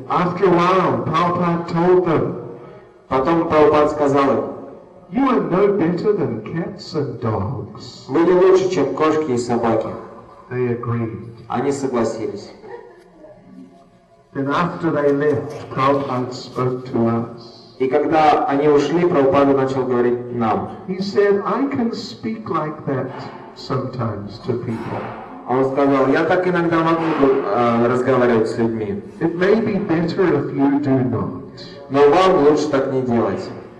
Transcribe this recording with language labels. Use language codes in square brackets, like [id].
[en] After a while, Prabhupada told them. [ru] Потом Прабхупад сказал им. [en] You are no better than cats and dogs. [ru] Вы не лучше, чем кошки и собаки. [en] They agreed. [ru] Они согласились. [en] Then after they left, Prabhupada spoke to us. [ru] И когда они ушли, Прабхупада начал говорить нам. [en] He said, I can speak like that sometimes to people. [ru] Он сказал, я так иногда могу разговаривать с людьми. [en] It may be better if you do not. [ru] Но вам лучше так не делать.